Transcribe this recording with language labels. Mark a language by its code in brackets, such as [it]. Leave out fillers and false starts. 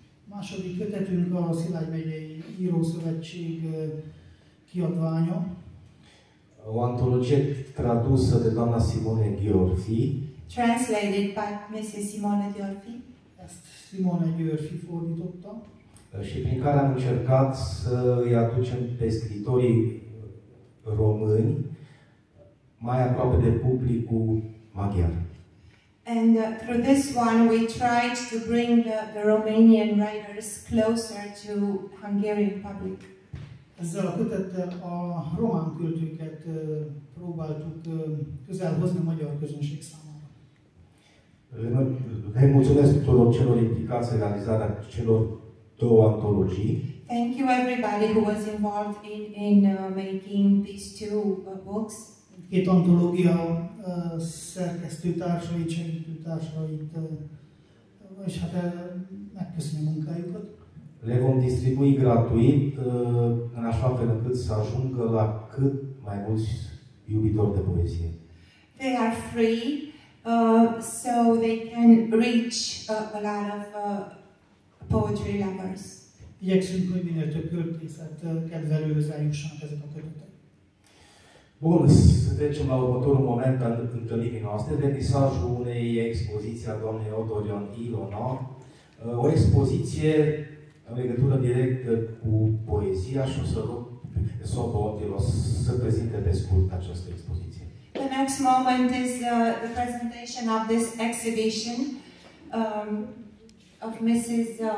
[hu] Második kötetünk a Szilágy megyei Írószövetség kiadványa. [ro] O antologie tradusă de doamna Simone Gheorfi. [en] Translated by Mrs. Simone Gheorfi. [hu] Ezt Simone Gheorfi fordította. [ro] Și prin care am încercat să îi aducem pe scritorii români mai aproape de publicul maghiar. [en] And through this one we tried to bring the Romanian writers closer to Hungarian public. [hu] Ezzel a kötettel a román költőket próbáltuk közel hozni a magyar közönség számára. [ro] Vă mulțumesc tuturor celor implicați în realizarea celor două antologii. [en] Thank you everybody who was involved in making these two books. [hu] Két antológia szerkesztőtársait, segítőtársait, és hát megköszönöm munkájukat. [ro] Le vom distribui gratuit, în așa fel încât să ajungă la cât mai mulți iubitori de poezie. [en] They are free, so they can reach a lot of poetry lovers. [hu] Igyekszünk, hogy minél több költészet kedvelőhöz eljussanak ezek a kötetek. [ro] Bun, să trecem la următorul moment al întâlnirii noastre, vernisajul unei expoziții a doamnei Odorion Ilona, o expoziție în legătură directă cu poezia și o să rog Sopo Otilos să prezinte pe scurt această expoziție. [en] The next moment is the presentation of this exhibition of Mrs.